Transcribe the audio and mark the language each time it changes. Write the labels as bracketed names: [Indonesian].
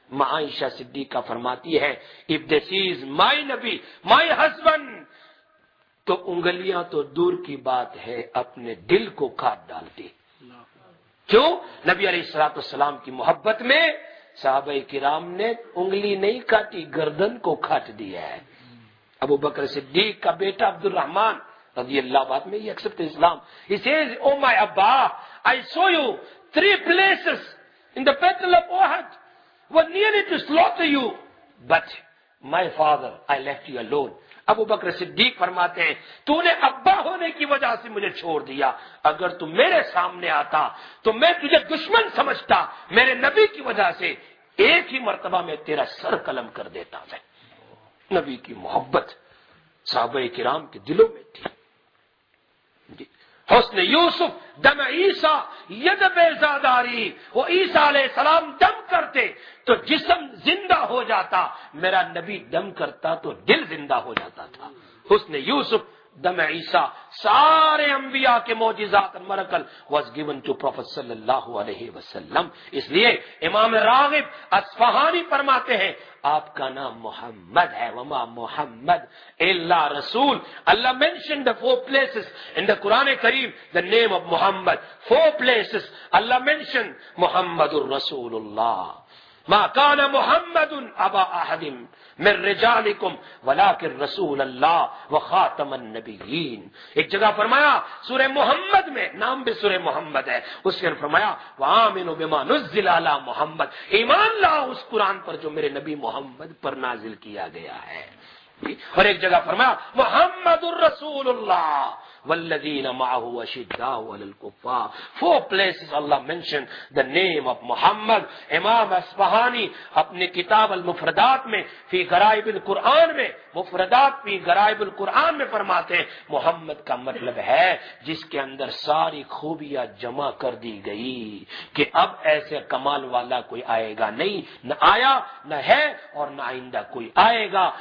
[Urdu] معائشہ صدیقہ فرماتی ہے [English] if this is my [Urdu] نبی [English] my husband [Urdu] تو انگلیاں تو دور کی بات ہے اپنے دل کو کاٹ ڈالتی. کیوں نبی علیہ السلام کی محبت میں صحابہ کرام نے انگلی نہیں کاٹی گردن کو کاٹ دیا ہے. ابو بکر صدیق کا بیٹا عبد الرحمن رضی اللہ عنہ میں ہی [English] accept [Urdu] Islam. [English] He says oh my Abba I saw you three places in the battle of Uhud were nearly to slaughter you but my father I left you alone. [Urdu] ابو بکر صدیق فرماتے ہیں تو نے ابا ہونے کی وجہ سے مجھے چھوڑ دیا, اگر تو میرے سامنے آتا تو میں تجھے دشمن سمجھتا, میرے نبی کی وجہ سے ایک ہی مرتبہ میں تیرا سر قلم کر دیتا. میں نبی کی محبت صحابہ کرام کے دلوں میں تھی. [Persian] حسن یوسف دم عیسیٰ ید بیضا داری, [Urdu] وہ عیسیٰ علیہ السلام دم کرتے تو جسم زندہ ہو جاتا, میرا نبی دم کرتا تو دل زندہ ہو جاتا تھا. [Persian] حسن یوسف دم عیسیٰ [Urdu] سارے انبیاء کے معجزات [English] miracle was given to prophet [Urdu] صلی اللہ علیہ وسلم. اس لیے امام راغب اصفہانی فرماتے ہیں آپ کا نام محمد ہے [Arabic] وما محمد الا رسول. [English] Allah mention the four places in the Quran کریم the name of Muhammad four places Allah mention [Arabic] محمد الرسول اللہ. ما کان محمد ابا احد من رجالکم ولکن رسول اللہ وخاتم النبیین. [Urdu] ایک جگہ فرمایا سورہ محمد میں نام بھی سورہ محمد ہے اس کے فرمایا [Arabic] وآمنوا بما نزل علی محمد, [Urdu] ایمان لاؤ اس قرآن پر جو میرے نبی محمد پر نازل کیا گیا ہے. اور ایک جگہ فرمایا [Arabic] محمد الرسول اللہ والذین معه اشداء علی الکفار. [English] Four places Allah mention the name of Muhammad. [Urdu] امام اصفہانی اپنی کتاب المفردات میں فی غرائب القرآن میں, مفردات فی غرائب القرآن میں فرماتے ہیں محمد کا مطلب ہے جس کے اندر ساری خوبیاں جمع کر دی گئی, کہ اب ایسے کمال والا کوئی آئے گا نہیں, نہ آیا نہ ہے اور نہ آئندہ کوئی آئے گا.